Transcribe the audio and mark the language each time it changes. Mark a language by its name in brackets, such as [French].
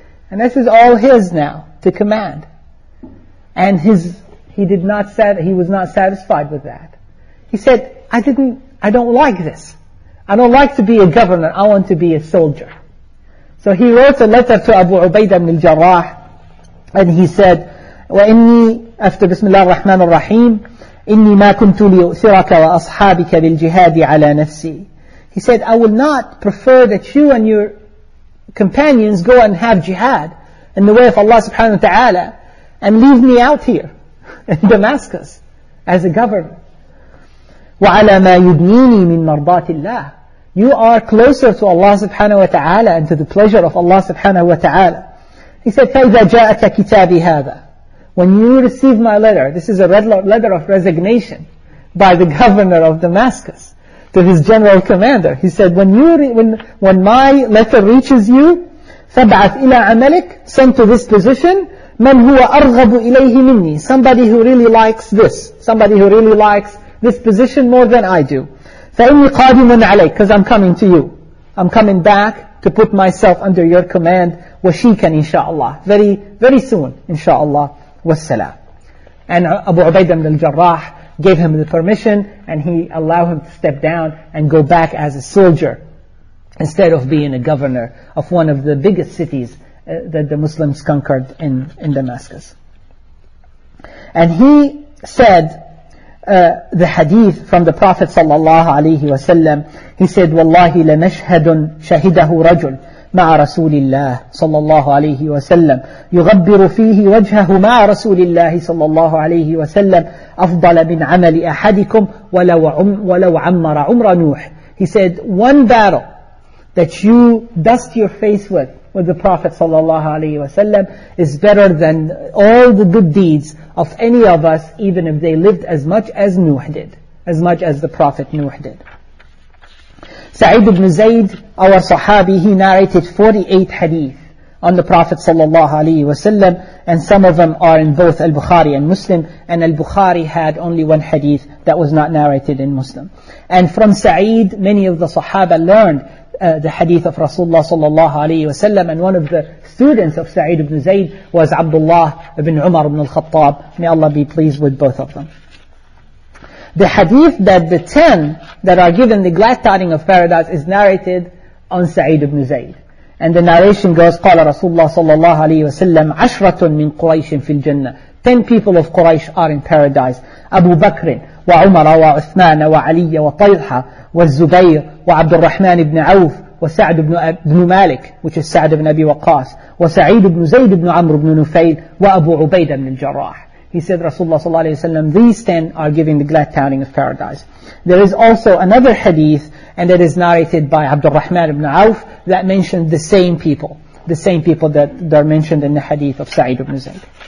[English] And this is all his now to command. And he was not satisfied with that. He said, I don't like this. I don't like to be a governor. I want to be a soldier. So he wrote a letter to Abu Ubaidah ibn al-Jarrah. And he said, [Arabic] وَإِنِّي [English] after [Arabic] Bismillah ar-Rahman ar-Rahim, إِنِّي مَا كُنْتُ لِيُؤْثِرَكَ وَأَصْحَابِكَ بِالْجِهَادِ عَلَى نَفْسِي. [English] He said, I will not prefer that you and your companions go and have jihad in the way of Allah subhanahu wa ta'ala and leave me out here in Damascus as a governor. [Arabic] وَعَلَى مَا يُدْنِينِي مِنْ مَرْضَاتِ اللَّهِ. [English] You are closer to Allah subhanahu wa ta'ala and to the pleasure of Allah subhanahu wa ta'ala. He said, [Arabic] فَإِذَا جَاءَتَ كِتَابِي هَذَا. [English] When you receive my letter, this is a letter of resignation by the governor of Damascus to his general commander. He said, when my letter reaches you, [Arabic] فَبْعَثْ إِلَىٰ عَمَلِكَ, [English] send to this position, [Arabic] مَنْ هُوَ أَرْغَبُ إِلَيْهِ مِنِّي, [English] somebody who really likes this, somebody who really likes this position more than I do. [Arabic] فَإِنِّي قَادِمٌ عَلَيْكَ, [English] because I'm coming to you. I'm coming back to put myself under your command, [Arabic] وَشِيكًا [English] inshaAllah, very, very soon, inshaAllah. [Arabic] والسلام. [English] And Abu Ubaidah ibn al-Jarrah gave him the permission and he allowed him to step down and go back as a soldier instead of being a governor of one of the biggest cities that the Muslims conquered in Damascus. And he said the hadith from the Prophet sallallahu alayhi wa sallam. He said, [Arabic] وَاللَّهِ لَنَشْهَدٌ شَهِدَهُ رَجُلٌ مع رسول الله صلى الله عليه وسلم يغبر فيه وجهه مع رسول الله صلى الله عليه وسلم أفضل من عمل أحدكم ولو عمر عمر نوح. [English] He said, one battle that you dust your face with the Prophet صلى الله عليه وسلم is better than all the good deeds of any of us, even if they lived as much as Nuh did, as much as the Prophet Nuh did. Sa'id ibn Zayd, our Sahabi, he narrated 48 hadith on the Prophet sallallahu alaihi wasallam, and some of them are in both Al-Bukhari and Muslim, and Al-Bukhari had only one hadith that was not narrated in Muslim. And from Sa'id, many of the Sahaba learned the hadith of Rasulullah sallallahu alaihi wasallam, and one of the students of Sa'id ibn Zayd was Abdullah ibn Umar ibn al-Khattab. May Allah be pleased with both of them. The hadith that the 10 that are given the glad tiding of paradise is narrated on Sa'id ibn Zayd. And the narration goes, [Arabic] قَالَ رَسُولُ اللَّهِ صَلَّى اللَّهُ عَلَيْهِ وَسَلَّمَ عَشْرَةٌ مِّن قُرَيْشٍ فِي الْجَنَّةِ [English] 10 people of Quraysh are in paradise. [Arabic] Abu Bakr, وعمر وعثمان وعلي وطلحة والزبير وعبد الرحمن بن عوف وسعد بن مالك, [English] which is [Arabic] سعد بن أبي وقاص, وسعيد بن زيد بن عمرو بن نفيل وأبو عبيدة بن الجراح. [English] He said, Rasulullah صلى الله عليه وسلم, these 10 are giving the glad tiding of paradise. There is also another hadith, and it is narrated by Abd al-Rahman ibn Auf, that mentioned the same people. The same people that are mentioned in the hadith of Sa'id ibn Zayd.